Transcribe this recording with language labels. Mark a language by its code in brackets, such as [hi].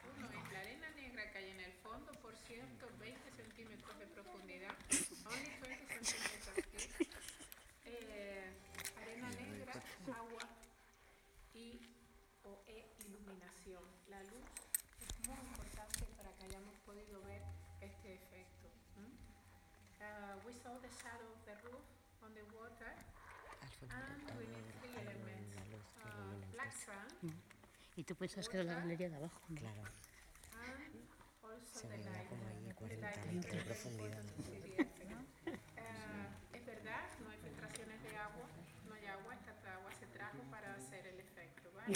[es] Uno es la arena negra que hay en el fondo, por cierto, 20 centímetros de profundidad. Only 20 centímetros aquí. Arena negra, agua y o e iluminación. La luz es muy importante para que hayamos podido ver este efecto. [en] We saw the shadow of the roof on the water, and we need three elements: black sand. [es] Y tú piensas que es la galería de abajo, ¿no? Claro. Se ve como ahí 40 metros de profundidad. Es verdad, no hay filtraciones de agua, no hay agua, esta agua se trajo para hacer el efecto, ¿vale?